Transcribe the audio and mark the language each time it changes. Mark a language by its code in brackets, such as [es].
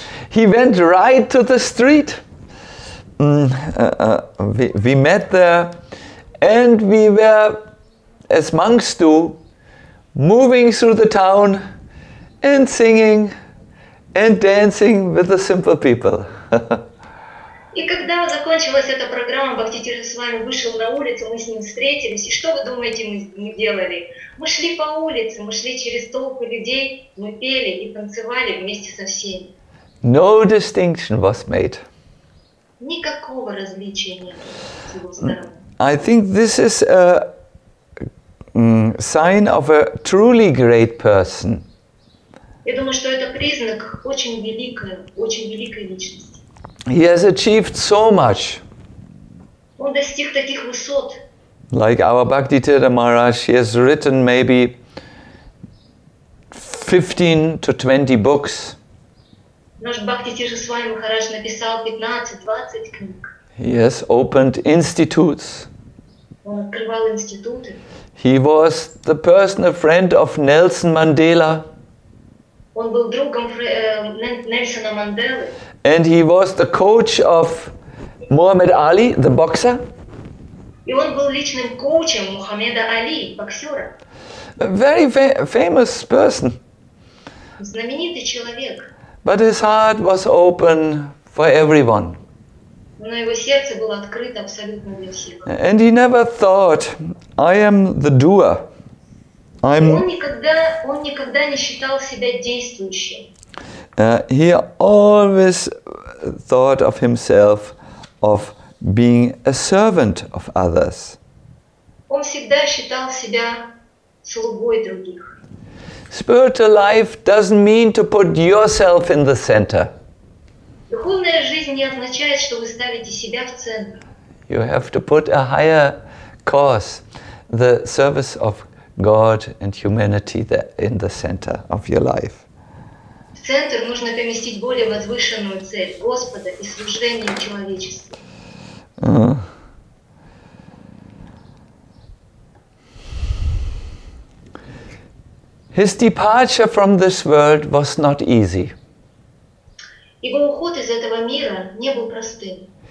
[en] He went right to the street. We met there, and we were, as monks do, moving through the town and singing and dancing with the simple people. [ru] И когда закончилась эта программа, Бхакти Тирша с вами вышел на улицу, мы с ним встретились. И что вы думаете, мы делали? Мы шли по улице, мы шли через толпы людей, мы пели и танцевали вместе со всеми. [en] No distinction was made. [ru] Никакого различия не было. [en] I think this is a sign of a truly great person. [ru] Я думаю, что это признак очень великой личности. [en] He has achieved so much. [ru] Он достиг таких высот. [en] Like our Bhakti Tirtha Maharaj, he has written maybe 15 to 20 books. [ru] Наш Бхакти Тирша с вами Махарадж написал 15-20 книг. [en] He has opened institutes. [ru] Он открывал институты. [en] He was the personal friend of Nelson Mandela. [ru] Он был другом Нельсона Манделы. [en] And he was the coach of Muhammad Ali, the boxer. [ru] И он был личным коучем Мухаммеда Али, боксера. [en] A very famous person. [ru] Знаменитый человек. [en] But his heart was open for everyone. [ru] Но его сердце было открыто абсолютно для всех. [en] And he never thought, I am the doer. [ru] Он никогда не считал себя действующим. [en] He always thought of himself of being a servant of others. [ru] Он всегда считал себя слугой других. [en] Spiritual life doesn't mean to put yourself in the center. [ru] Духовная жизнь не означает, что вы ставите себя в центр. [en] You have to put a higher cause, the service of God and humanity, in the center of your life. [ru] В центр нужно поместить более возвышенную цель Господа и служение человечеству. [en] His departure from this world was not easy. [ru] Его уход из этого мира не был простым.